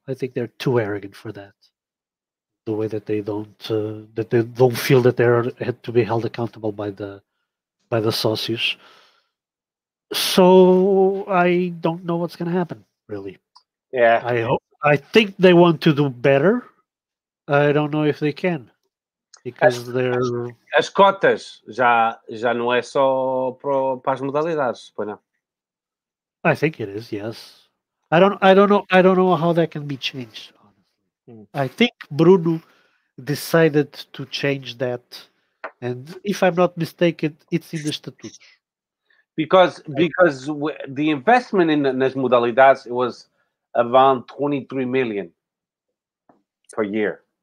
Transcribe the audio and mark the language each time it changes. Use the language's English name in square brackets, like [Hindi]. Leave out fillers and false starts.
[English] I think they're too arrogant for that. The way that they don't feel that they're had to be held accountable by the socios. So I don't know what's going to happen, really. Yeah. I think they want to do better. I don't know if they can, because they're... [Portuguese] As cotas já não é só para as modalidades, pois não? [English] I think it is, yes. I don't know how that can be changed. I think Bruno decided to change that, and if I'm not mistaken, it's in the statutes. Because the investment in [Portuguese] nas modalidades, [English] it was around 23 million per year.